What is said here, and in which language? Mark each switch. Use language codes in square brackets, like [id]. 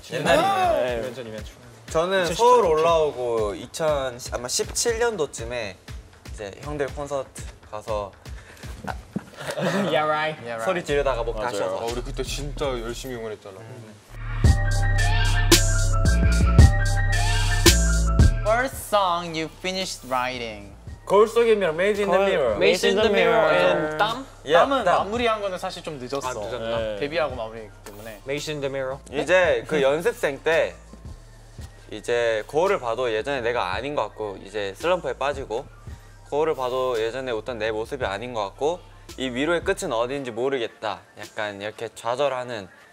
[ko] 옛날이네요. 7년 전이면 중. 저는 서울 올라오고 2017년도쯤에 이제 형들 콘서트 가서 [en] Yeah, right. Yeah, right. [ko] 소리 지르다가 못 가셔서. 아, 우리 그때 진짜 열심히 응원했잖아. [en] First song you finished writing. [ko] 거울 속의 미러, Made in the Mirror. [en] Made in the Mirror. [ko] 땀? Yeah, 땀은 땀. 마무리한 거는 사실 좀 늦었어. 아, 늦었나? 네. 데뷔하고 마무리했기 때문에. [en] Made in the Mirror. [ko] 이제 그 연습생 때 이제 거울을 봐도 예전에 내가 아닌 것 같고 이제 슬럼프에 빠지고 거울을 봐도 예전에 웃던 내 모습이 아닌 것 같고 이 위로의 끝은 어디인지 모르겠다. 약간 이렇게 좌절하는